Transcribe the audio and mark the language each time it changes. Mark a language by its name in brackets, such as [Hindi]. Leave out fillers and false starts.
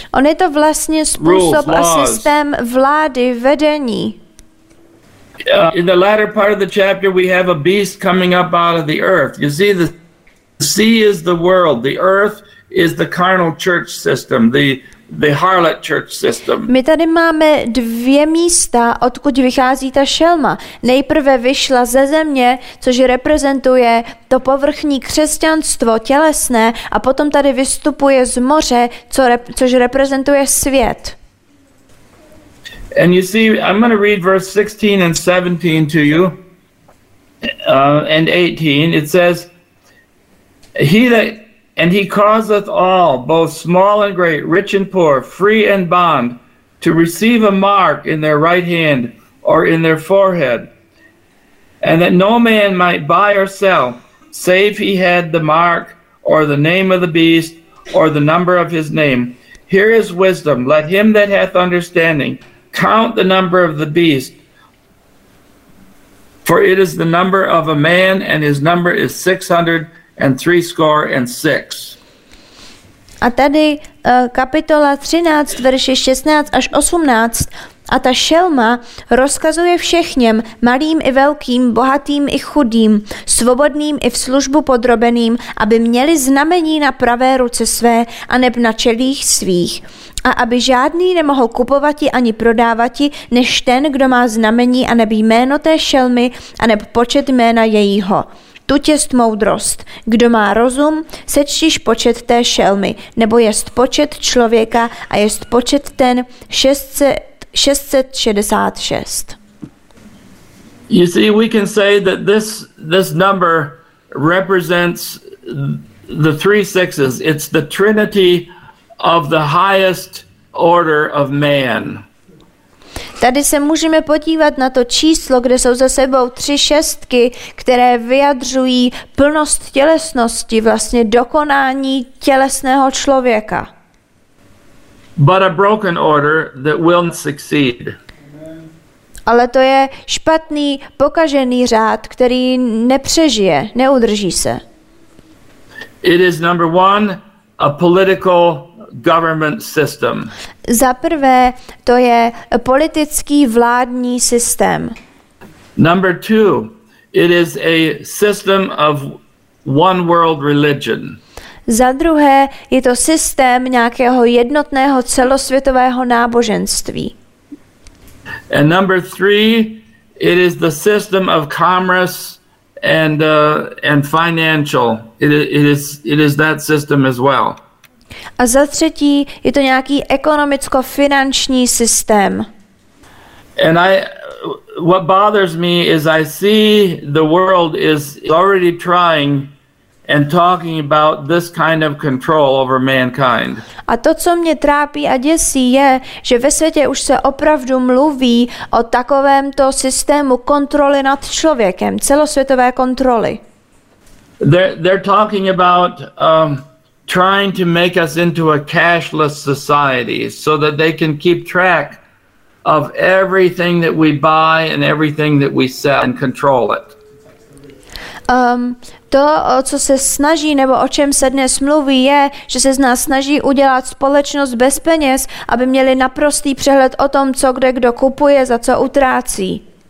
[Czech] On je to vlastně způsob a systém vlády, vedení. [English] In the latter part of the chapter, we have a beast coming up out of the earth. You see, the sea is the world. The earth is the carnal church system, the harlot church system. [Czech] My tady máme dvě místa, odkud vychází ta šelma. Nejprve vyšla ze země, což reprezentuje to povrchní křesťanstvo tělesné, a potom tady vystupuje z moře, což reprezentuje svět. [English] And you see, I'm going to read verse 16 and 17 to you, and 18. It says, He causeth all, both small and great, rich and poor, free and bond, to receive a mark in their right hand or in their forehead, and that no man might buy or sell, save he had the mark or the name of the beast or the number of his name. Here is wisdom. Let him that hath understanding count the number of the beast, for it is the number of a man, and his number is 666. [Czech] A tady kapitola 13, verše 16 až 18. A ta šelma rozkazuje všechněm, malým i velkým, bohatým i chudým, svobodným i v službu podrobeným, aby měli znamení na pravé ruce své a neb na čelích svých. A aby žádný nemohl kupovati ani prodávati, než ten, kdo má znamení a neb jméno té šelmy a neb počet jména jejího. Tuť jest moudrost. Kdo má rozum, sečtiš počet té šelmy, nebo jest počet člověka a jest počet ten 666. [English] You see, we can say that this number represents the three sixes. It's the trinity of the highest order of man. [Czech] Tady se můžeme podívat na to číslo, kde jsou za sebou tři šestky, které vyjadřují plnost tělesnosti, vlastně dokonání tělesného člověka. [English] But a broken order that will not succeed. [Czech] Ale to je špatný, pokažený řád, který nepřežije, neudrží se. [English] It is number one, a political government system. [Czech] Za prvé, to je politický vládní systém. [English] Number two, it is a system of one world religion. [Czech] Za druhé, je to systém nějakého jednotného celosvětového náboženství. [English] And number three, it is the system of commerce and financial. It is that system as well. [Czech] A za třetí, je to nějaký ekonomicko-finanční systém. [English] And what bothers me is I see the world is already trying and talking about this kind of control over mankind. [Czech] A to, co mě trápí a děsí, je, že ve světě už se opravdu mluví o takovémto systému kontroly nad člověkem, celosvětové kontroly. [English] They're talking about trying to make us into a cashless society so that they can keep track of everything that we buy and everything that we sell and control it. [Czech] To, o co se snaží, nebo o čem se dnes mluví, je, že se z nás snaží udělat společnost bez peněz, aby měli naprostý přehled o tom, co kde kdo kupuje, za co utrácí.